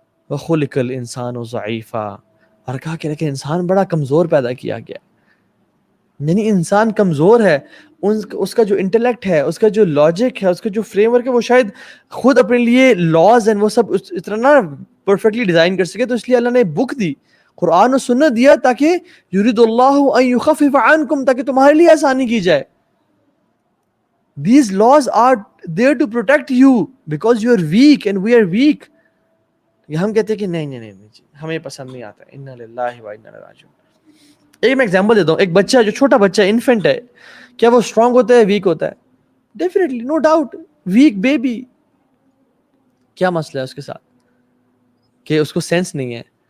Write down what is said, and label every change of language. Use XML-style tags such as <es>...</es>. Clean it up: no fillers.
<ar>وخلق الانسان ضعیفا,</ar> <ur>اور کہا کہ لیکن انسان بڑا کمزور پیدا کیا گیا, یعنی انسان کمزور ہے, اس کا جو انٹلیکٹ ہے, اس کا جو لاجک ہے, اس کا جو فریم ورک ہے, وہ شاید خود اپنے لیے لاز اینڈ وہ سب اتنا نہ پرفیکٹلی ڈیزائن کر سکے. تو اس لیے اللہ نے بک دی, قرآن و سنت دیا, تاکہ</ur> <ar>یرید اللہ ان یخفف عنکم,</ar> <ur>تاکہ تمہارے لیے آسانی کی جائے.</ur> <en>These laws are there to protect you because you are weak and we are weak.</en> <ur>یہ ہم کہتے ہیں کہ نہیں نہیں نہیں جی, ہمیں پسند نہیں آتا.</ur> <ar>انا للہ و انا الیہ راجعون.</ar> <ur>ایک میں ایگزامپل دیتا ہوں, ایک بچہ جو چھوٹا بچہ انفینٹ ہے, کیا وہ اسٹرانگ ہوتا ہے, ویک ہوتا ہے؟</ur> <en>Definitely, no doubt, weak baby.</en> <ur>کیا مسئلہ ہے اس کے ساتھ؟ کہ اس کو سینس نہیں ہے.</ur>